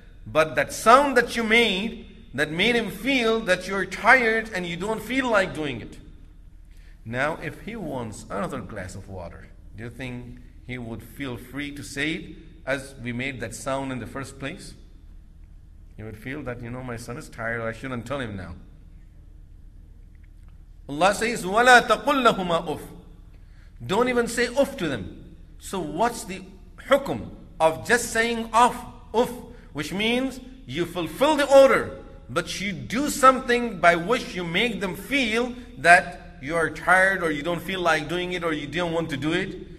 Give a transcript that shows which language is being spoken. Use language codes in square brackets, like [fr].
[en] But that sound that you made, that made him feel that you're tired and you don't feel like doing it. Now, if he wants another glass of water, do you think he would feel free to say it as we made that sound in the first place? He would feel that, you know, my son is tired, I shouldn't tell him now. Allah says, [ar] وَلَا تَقُلْ لَهُمَا أُفْ. [en] Don't even say uff to them. So what's the hukum of just saying uff, which means you fulfill the order, but you do something by which you make them feel that you are tired or you don't feel like doing it or you don't want to do it.